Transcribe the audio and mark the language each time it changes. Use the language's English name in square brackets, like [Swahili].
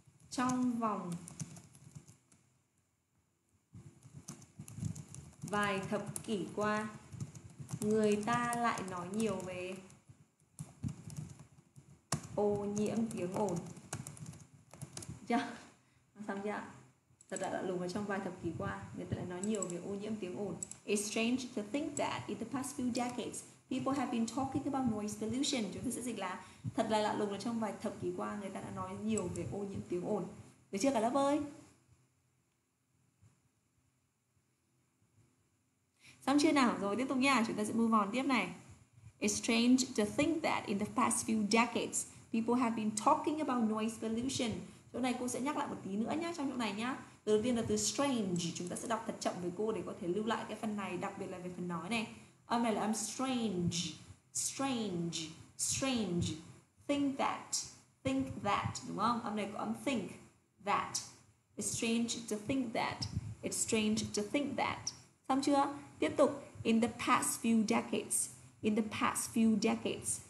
[Vietnamese] Trong vòng vài thập kỷ qua, người ta lại nói nhiều về ô nhiễm tiếng ồn. Chưa? Xong chưa ạ? Thật là lạ lùng và trong vài thập kỷ qua, người ta lại nói nhiều về ô nhiễm tiếng ồn. [English] It's strange to think that in the past few decades, people have been talking about noise pollution. [Vietnamese] Chúng ta sẽ dịch là thật là lạ lùng là trong vài thập kỷ qua, người ta đã nói nhiều về ô nhiễm tiếng ồn. Được chưa cả lớp ơi? Xong chưa nào? Rồi tiếp tục nha, chúng ta sẽ move on tiếp này. [English] It's strange to think that in the past few decades, people have been talking about noise pollution. [Vietnamese] Chỗ này cô sẽ nhắc lại một tí nữa nhá, trong chỗ này nhá. Từ đầu tiên là từ strange, chúng ta sẽ đọc thật chậm với cô để có thể lưu lại cái phần này, đặc biệt là về phần nói này. Âm này là âm strange, strange, strange. [English] Think that, [Vietnamese] đúng không? Âm này có âm think, that. [English] It's strange to think that, it's strange to think that. [Vietnamese] Xong chưa? Tiếp tục. [English] In the past few decades, in the past few decades.